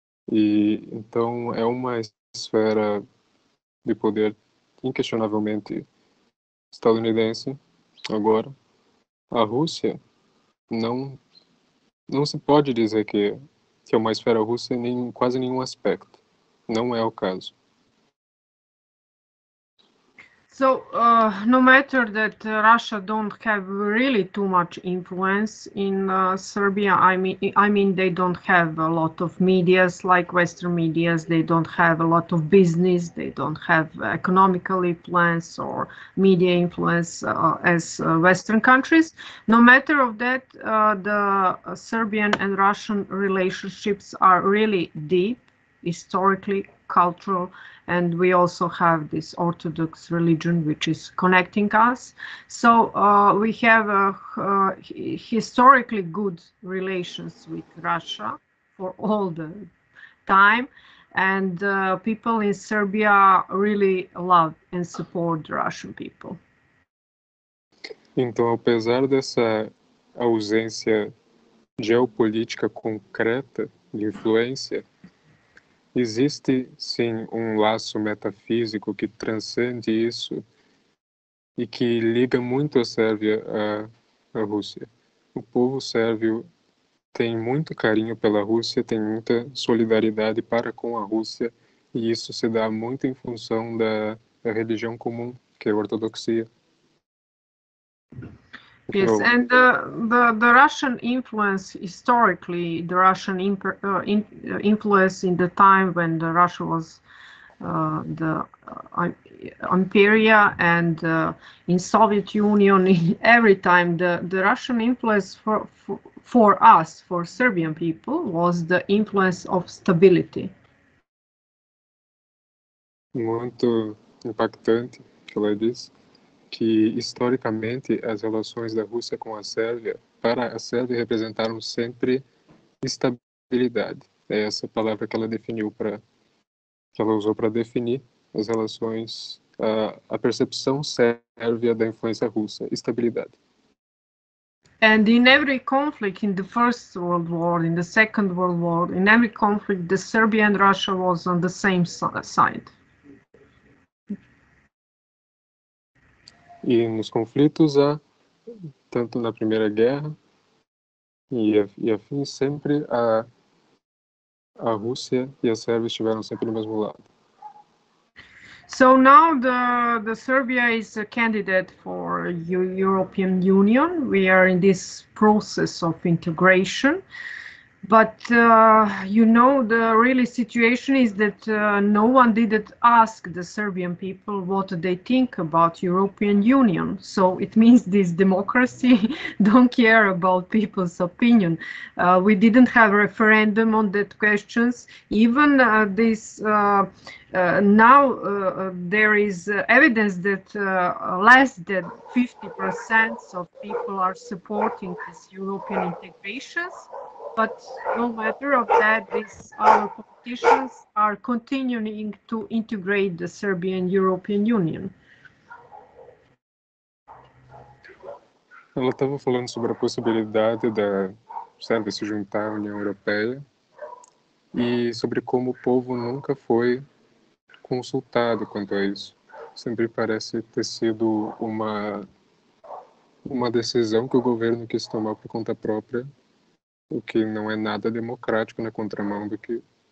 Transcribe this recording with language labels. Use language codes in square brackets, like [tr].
[pt] E então é uma esfera de poder inquestionavelmente estadunidense. Agora, a Rússia não se pode dizer que é uma esfera russa em quase nenhum aspecto. Não é o caso. [en] So, no matter that Russia don't have really too much influence in Serbia, I mean they don't have a lot of medias like Western medias, they don't have a lot of business, they don't have economical influence or media influence as Western countries. No matter of that, the Serbian and Russian relationships are really deep, historically, cultural, and we also have this Orthodox religion which is connecting us. So we have a historically good relations with Russia for all the time, and people in Serbia really love and support the Russian people. [pt] Então, apesar dessa ausência geopolítica concreta de influência, existe, sim, um laço metafísico que transcende isso e que liga muito a Sérvia à Rússia. O povo sérvio tem muito carinho pela Rússia, tem muita solidariedade para com a Rússia, e isso se dá muito em função da religião comum, que é a ortodoxia. [en] Yes, and the Russian influence historically, the Russian influence in the time when the Russia was the imperia and in Soviet Union, every time the Russian influence for us, for Serbian people, was the influence of stability. [pt] Muito impactante, como eu disse, que historicamente as relações da Rússia com a Sérvia, para a Sérvia, representaram sempre estabilidade. É essa palavra que ela definiu para definir as relações, a percepção sérvia da influência russa, estabilidade. [en] And in every conflict, in the First World War, in the Second World War, in every conflict, the Serbia and Russia was on the same side. [pt] E nos conflitos há, tanto na Primeira Guerra e afim, sempre a Rússia e a Sérvia estiveram sempre no mesmo lado. [en] So now the Serbia is a candidate for European Union. We are in this process of integration. But you know, the really situation is that no one didn't ask the Serbian people what they think about European Union. So it means this democracy don't care about people's opinion. We didn't have a referendum on that questions. Even there is evidence that less than 50% of people are supporting this European integrations. But no matter of that, our politicians are continuing to integrate the Serbian European Union. [pt] Ela estava falando sobre a possibilidade da Sérvia se juntar à União Europeia e sobre como o povo nunca foi consultado quanto a isso. Sempre parece ter sido uma decisão que o governo quis tomar por conta própria, o que não é nada democrático, na contramão do que